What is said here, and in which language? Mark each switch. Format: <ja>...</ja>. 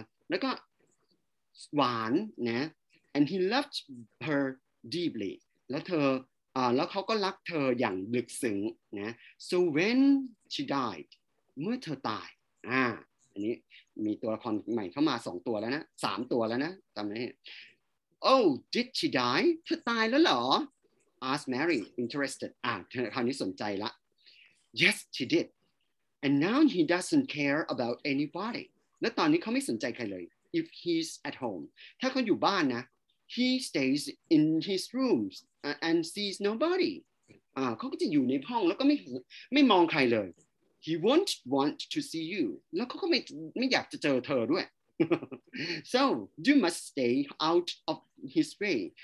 <th>แล้วก็หวานนะ</th> <en>and he loved her deeply</en> <th>แล้วเธอแล้วเขาก็รักเธออย่างลึกซึ้งนะ</th> <en>so when she died</en> <th>เมื่อเธอตายอันนี้มีตัวละครใหม่เข้ามา2ตัวแล้วนะ3ตัวแล้วนะจำได้</th> <en>Oh, did she die?</en> <th>เธอตายแล้วเหรอ</th> <en>Asked Mary, interested.</en> <th>คราวนี้สนใจแล้ว</th> <en>Yes, she did. And now he doesn't care about anybody.</en> <th>แล้วตอนนี้เขาไม่สนใจใครเลย</th> <en>If he's at home.</en> <th>ถ้าเขาอยู่บ้านนะ</th> <en>He stays in his rooms and sees nobody.</en> <th>เขาก็จะอยู่ในห้องแล้วก็ไม่มองใครเลย</th> <en>He won't want to see you.</en> <th>แล้วเขาก็ไม่อยากจะเจอเธอด้วย</th> <en>So you must stay out of his way.</en>